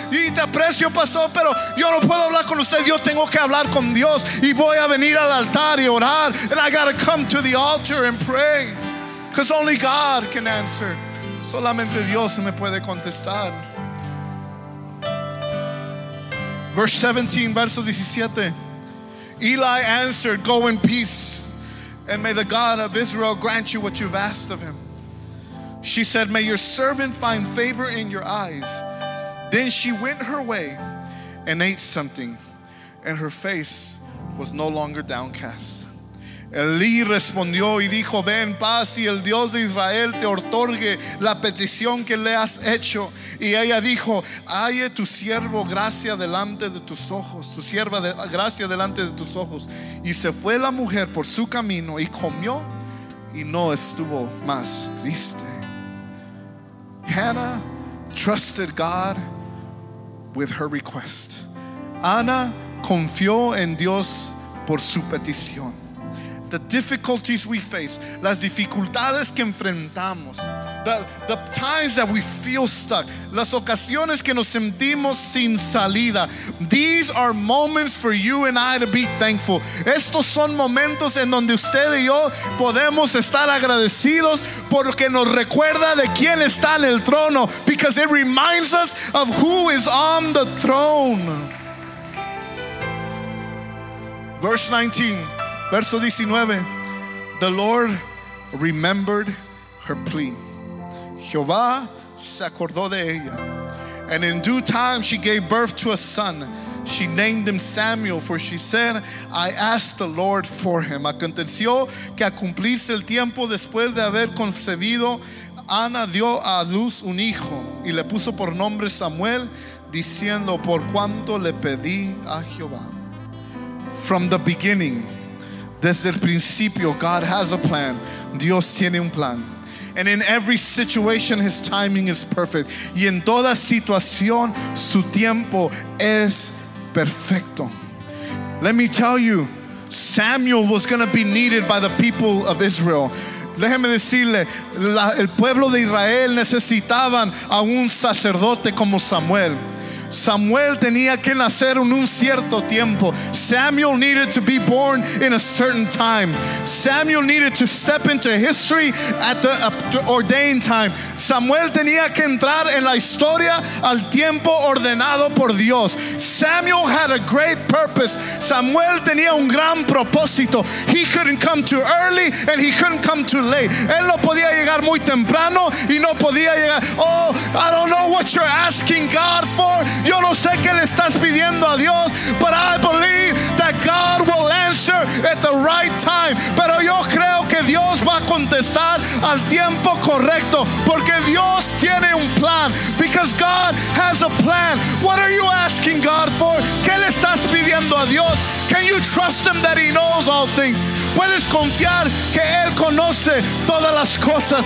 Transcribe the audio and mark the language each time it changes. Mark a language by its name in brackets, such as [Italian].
[Spanish] Y te aprecio, pastor, pero yo no puedo hablar con usted. Yo tengo que hablar con Dios, y voy a venir al altar y orar. [English] And I gotta come to the altar and pray, because only God can answer. [Spanish] Solamente Dios me puede contestar. [English] Verse 17, [Spanish] verso 17. [English] Eli answered, "Go in peace, and may the God of Israel grant you what you've asked of him." She said, "May your servant find favor in your eyes." Then she went her way and ate something, and her face was no longer downcast. [Spanish] Eli respondió y dijo, "Ven, paz, y el Dios de Israel te otorgue la petición que le has hecho." Y ella dijo, "Halle tu siervo gracia delante de tus ojos, tu sierva de gracia delante de tus ojos." Y se fue la mujer por su camino y comió y no estuvo más triste. [English] Hannah trusted God with her request. [Spanish] Ana confió en Dios por su petición. [English] The difficulties we face, [Spanish] las dificultades que enfrentamos, [English] the times that we feel stuck, [Spanish] las ocasiones que nos sentimos sin salida, [English] these are moments for you and I to be thankful. [Spanish] Estos son momentos en donde usted y yo podemos estar agradecidos, porque nos recuerda de quién está en el trono. [English] Because it reminds us of who is on the throne. [Spanish] Verso 19, [English] the Lord remembered her plea. [Spanish] Jehová se acordó de ella. [English] And in due time she gave birth to a son. She named him Samuel, for she said, "I asked the Lord for him." [Spanish] Aconteció que a cumplirse el tiempo después de haber concebido, Ana dio a luz un hijo y le puso por nombre Samuel, diciendo, "Por cuanto le pedí a Jehová." [English] From the beginning, [Spanish] desde el principio, [English] God has a plan. [Spanish] Dios tiene un plan. [English] And in every situation, his timing is perfect. [Spanish] Y en toda situación, su tiempo es perfecto. [English] Let me tell you, Samuel was going to be needed by the people of Israel. [Spanish] Déjeme decirle, el pueblo de Israel necesitaban a un sacerdote como Samuel. Samuel tenía que nacer en un cierto tiempo. [English] Samuel needed to be born in a certain time. Samuel needed to step into history at the ordained time. [Spanish] Samuel tenía que entrar en la historia al tiempo ordenado por Dios. [English] Samuel had a great purpose. [Spanish] Samuel tenía un gran propósito. [English] He couldn't come too early and he couldn't come too late. [Spanish] Él no podía llegar muy temprano y no podía llegar. [English] Oh, I don't know what you're asking God for. [Spanish] Yo no sé qué le estás pidiendo a Dios, [English] but I believe that God will answer at the right time. [Spanish] Pero yo creo que Dios va a contestar al tiempo correcto, porque Dios tiene un plan. [English] Because God has a plan. What are you asking God for? [Spanish] ¿Qué le estás pidiendo a Dios? [English] Can you trust him that he knows all things? [Spanish] Puedes confiar que él conoce todas las cosas.